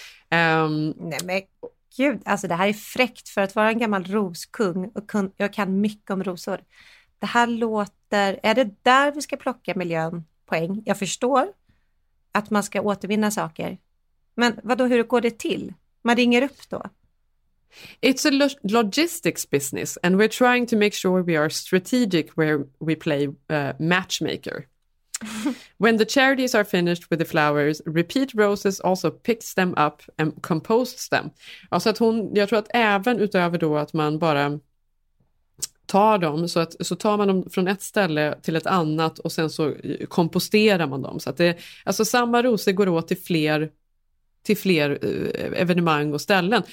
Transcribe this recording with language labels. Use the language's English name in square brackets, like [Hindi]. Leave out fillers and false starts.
[Swedish] Nej men gud, alltså det här är fräckt för att vara en gammal roskung och jag kan mycket om rosor. Det här låter, är det där vi ska plocka miljöpoäng? Jag förstår att man ska återvinna saker. Men vadå, hur går det till? Man ringer upp då. [English] It's a logistics business and we're trying to make sure we are strategic where we play matchmaker. When the charities are finished with the flowers, Repeat Roses also picks them up and composts them. [Swedish] Alltså att hon, jag tror att även utöver då att man bara tar dem, så tar man dem från ett ställe till ett annat och sen så komposterar man dem. Så att det, alltså samma rosor går åt till fler evenemang och ställen.